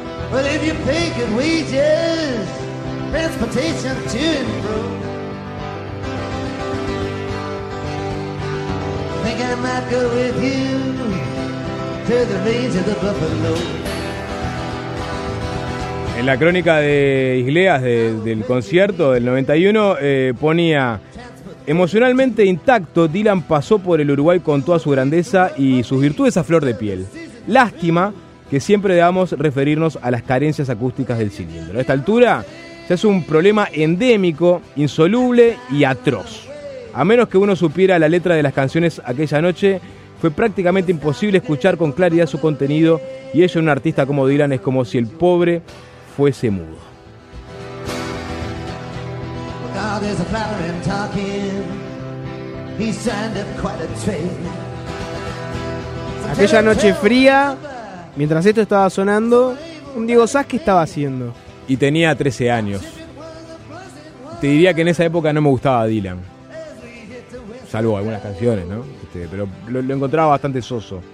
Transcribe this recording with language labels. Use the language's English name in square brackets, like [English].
[English] But if you pay good wages, transportation to and fro, I think I might go with you to the range of the buffalo. [Spanish] En la crónica de Igleas del concierto del 91 ponía: emocionalmente intacto, Dylan pasó por el Uruguay con toda su grandeza y sus virtudes a flor de piel. Lástima que siempre debamos referirnos a las carencias acústicas del cilindro. A esta altura ya es un problema endémico, insoluble y atroz. A menos que uno supiera la letra de las canciones aquella noche, fue prácticamente imposible escuchar con claridad su contenido, y ello en un artista como Dylan es como si el pobre fuese mudo. [English] There's a flattering talking, he's signed up quite a trade. [Spanish] Aquella noche fría, mientras esto estaba sonando, un Diego Sass, ¿qué estaba haciendo? Y tenía 13 años. Te diría que en esa época no me gustaba Dylan, salvo algunas canciones, ¿no? Pero lo encontraba bastante soso.